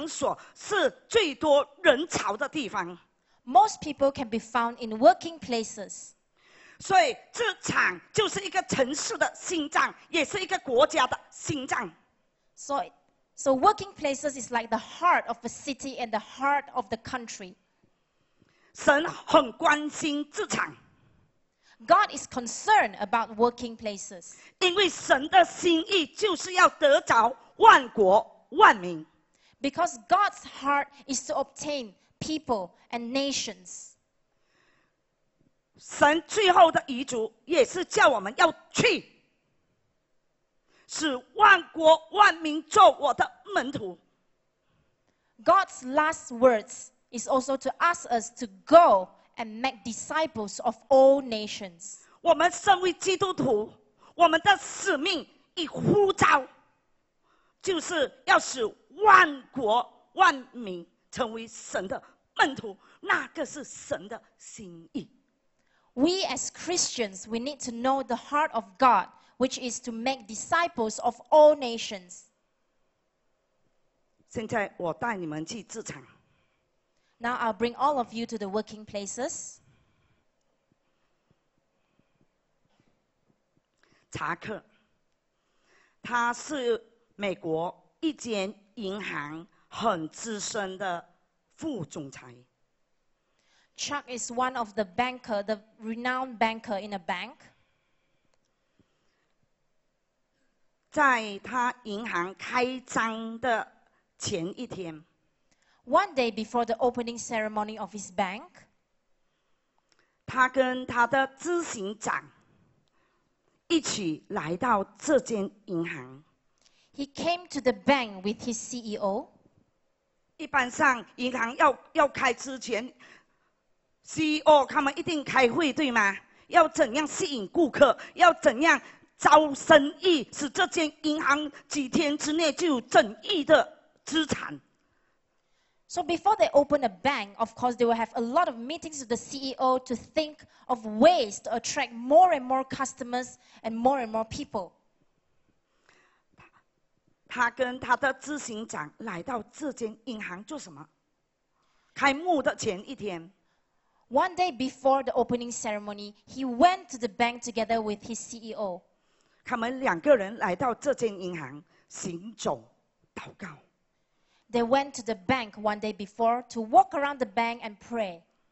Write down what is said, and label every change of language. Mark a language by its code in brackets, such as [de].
[zh] 工作场所最多人，有些人40多岁就没有读书，就去上班；有些人到80多岁还在上班。所以工作场所是最多人潮的地方。 [en] Most people can be found in working places. [zh] 所以职场就是一个城市的心脏，也是一个国家的心脏。 [en] So working places is like the heart of a city and the heart of the country. [zh] 神很关心职场。 [en] God is concerned about working places. [zh] 因为神的心意就是要得着万国万民。 [en] Because God's heart is to obtain people and nations. [zh] 神最后的遗嘱也是叫我们要去, 使万国万民做我的门徒。 [en] God's last words is also to ask us to go and make disciples of all nations. [zh] 我们身为基督徒, 我们的使命与呼召, 就是要使万国万民成为神的门徒, 那个是神的心意。 [en] We as Christians, we need to know the heart of God, which is to make disciples of all nations. [zh] 现在我带你们去职场。 [en] Now I'll bring all of you to the working places. [zh] 查克, 他是美国一间银行很资深的副总裁。 [en] Chuck is one of the banker, the renowned banker in a bank. [zh] 在他银行开张的前一天, [en] One day before the opening ceremony of his bank, [zh] 他跟他的执行长一起来到这间银行。 [en] He came to the bank with his CEO. [zh] 一般上银行 要开之前 CEO 他们一定开会对吗？要怎样吸引顾客，要怎样招生意，使这间银行几天之内就有整亿的资产。 [en] So before they open a bank, of course they will have a lot of meetings with the CEO to think of ways to attract more and more customers and more people. [zh] 他跟他的执行长来到这间银行做什么？开幕的前一天。 [en] One day before the opening ceremony, he went to the bank together with his CEO. [zh] 他们两个人来到这间银行行走祷告。 [en] They went to the bank one day before to walk around the bank and pray.